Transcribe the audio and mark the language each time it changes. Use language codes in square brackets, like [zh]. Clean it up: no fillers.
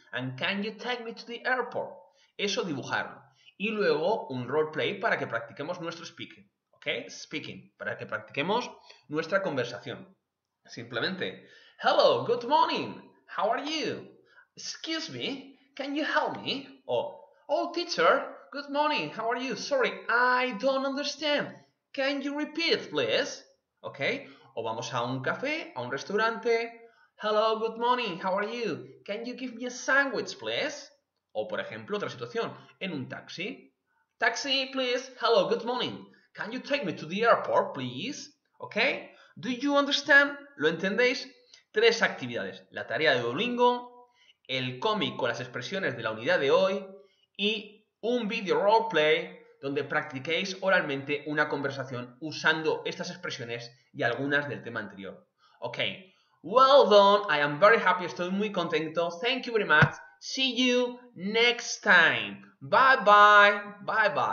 [en] And can you take me to the airport? [es] Eso dibujarlo. Y luego un roleplay para que practiquemos nuestro speaking, ¿ok? Speaking, para que practiquemos nuestra conversación. Simplemente, [en] hello, good morning, how are you? Excuse me, can you help me? O, oh, teacher, good morning, how are you? Sorry, I don't understand, can you repeat, please? [es] ¿Ok? O vamos a un café, a un restaurante. [en] Hello, good morning, how are you? Can you give me a sandwich, please? [es] O, por ejemplo, otra situación, en un taxi. [en] Taxi, please. Hello, good morning. Can you take me to the airport, please? ¿Ok? Do you understand? [es] ¿Lo entendéis? Tres actividades. La tarea de Duolingo, el cómic con las expresiones de la unidad de hoy y un video roleplay donde practiquéis oralmente una conversación usando estas expresiones y algunas del tema anterior. [en] ¿Ok? Well done. I am very happy. [es] Estoy muy contento. [en] Thank you very much. See you next time. Bye bye. Bye bye.